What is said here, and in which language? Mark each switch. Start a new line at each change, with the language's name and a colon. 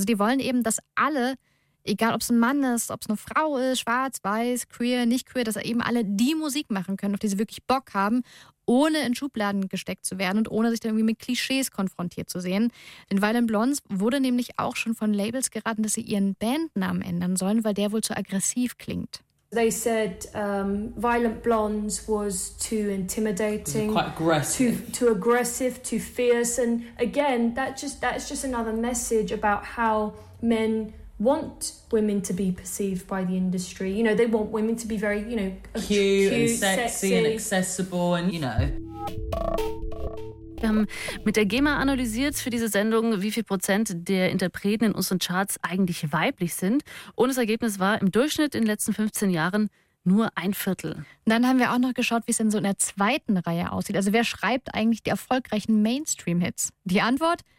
German: Also die wollen eben, dass alle, egal ob es ein Mann ist, ob es eine Frau ist, schwarz, weiß, queer, nicht queer, dass eben alle die Musik machen können, auf die sie wirklich Bock haben, ohne in Schubladen gesteckt zu werden und ohne sich dann irgendwie mit Klischees konfrontiert zu sehen. Denn Violent Blondes wurde nämlich auch schon von Labels geraten, dass sie ihren Bandnamen ändern sollen, weil der wohl zu aggressiv klingt.
English: They said Violent Blondes was too intimidating. Quite aggressive. Too aggressive, too fierce. And again, that's just another message about how men want women to be perceived by the industry. You know, they want women to be very, you know, cute and sexy and accessible and, you know.
German: Wir haben mit der GEMA analysiert für diese Sendung, wie viel Prozent der Interpreten in unseren Charts eigentlich weiblich sind. Und das Ergebnis war im Durchschnitt in den letzten 15 Jahren nur ein Viertel. Dann haben wir auch noch geschaut, wie es denn so in der zweiten Reihe aussieht. Also wer schreibt eigentlich die erfolgreichen Mainstream-Hits? Die Antwort?